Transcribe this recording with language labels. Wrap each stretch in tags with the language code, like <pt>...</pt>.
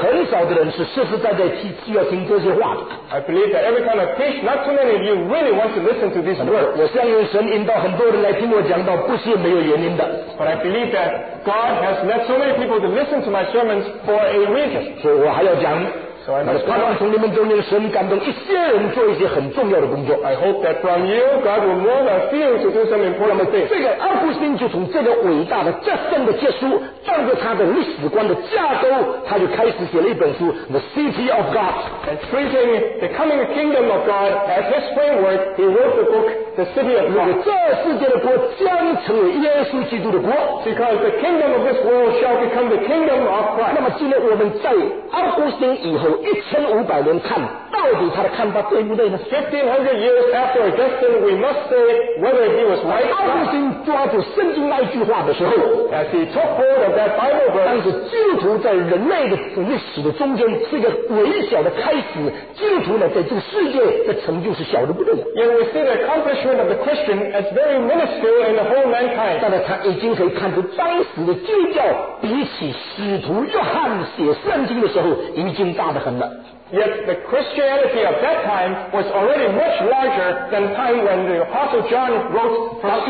<zh>我知道每次我讲到的时候，我的听众可能有很少的人是实实在在需要听这些话的。I</zh> <en>believe that every time I preach, not too many of you really want to listen to these words.</en> <zh>我相信神引导很多人来听我讲道，不是没有。</zh> <en>But I believe that God has led so many people to listen to my sermons for a reason. So</en> <zh>我还要讲,</zh> <en>so I must start. I hope that from you, God will move a few to do some important things.</en> <zh>这个阿古斯丁就从这个伟大的战胜的结书，当着他的历史观的架构， 他就开始写了一本书, The City of God.</zh> <en>And treating the coming kingdom of God as his framework, he wrote the book The City of God.</en> <zh>这个世界的国将成为耶稣基督的国,</zh> <en>because the kingdom of this world shall become the kingdom of Christ.</en> <zh>那么今天我们在阿古斯丁以后 1500年看，到底他的看法对不对呢？</zh> <en>1500 years after Augustine, we must say whether he was right.</en> <zh>阿古斯丁抓住圣经那句话的时候，</zh> <en>as he took hold of that Bible verse,</en> <zh>当时基督徒在人类的历史的中间是一个微小的开始，基督徒呢在这个世界的成就是小的不得了。</zh> <en>We see the accomplishment of the Christian as very minuscule in the whole mankind.</en> <zh>但是他已经可以看出当时的基督教比起使徒约翰写圣经的时候已经大得很。</zh> <en>Yet the Christianity of that time was already much larger than the time when the Apostle John wrote</en>